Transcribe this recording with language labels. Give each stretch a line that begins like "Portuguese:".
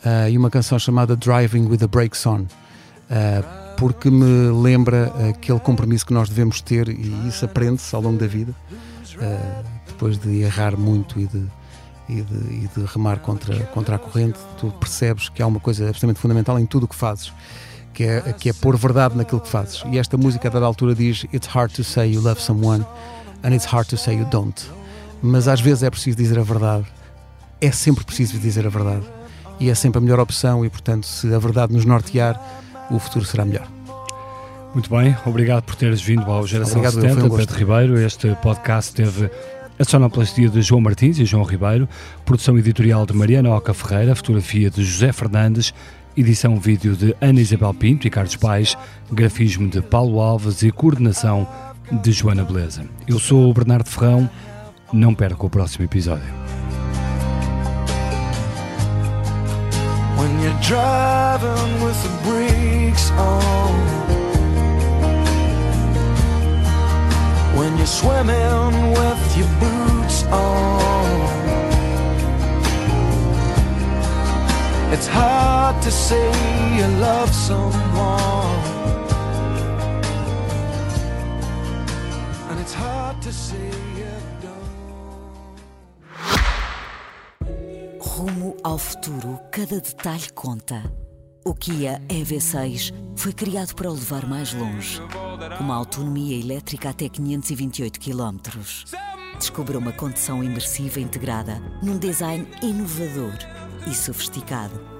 Portuguese: E uma canção chamada Driving with the Brakes On, porque me lembra aquele compromisso que nós devemos ter, e isso aprende-se ao longo da vida, depois de errar muito e de remar contra a corrente. Tu percebes que há uma coisa absolutamente fundamental em tudo o que fazes, que é pôr verdade naquilo que fazes.
English: E esta música a dada altura diz: It's hard to say you love someone and it's hard to say you don't.
Portuguese: Mas às vezes é preciso dizer a verdade, é sempre preciso dizer a verdade. E é sempre a melhor opção, e portanto, se a verdade nos nortear, o futuro será melhor. Muito bem, obrigado por teres vindo ao Geração 70, Pedro Ribeiro. Este podcast teve a sonoplastia de João Martins e João Ribeiro, produção editorial de Mariana Oca Ferreira, fotografia de José Fernandes, edição vídeo de Ana Isabel Pinto e Carlos Paes, grafismo de Paulo Alves e coordenação de Joana Beleza. Eu sou o Bernardo Ferrão, não perca o próximo episódio.
English: You're driving with the brakes on. When you're swimming with your boots on. It's hard to say you love someone. And it's hard to say you don't.
Portuguese: Rumo ao futuro, cada detalhe conta. O Kia EV6 foi criado para o levar mais longe. Uma autonomia elétrica até 528 km. Descubra uma condição imersiva integrada num design inovador e sofisticado.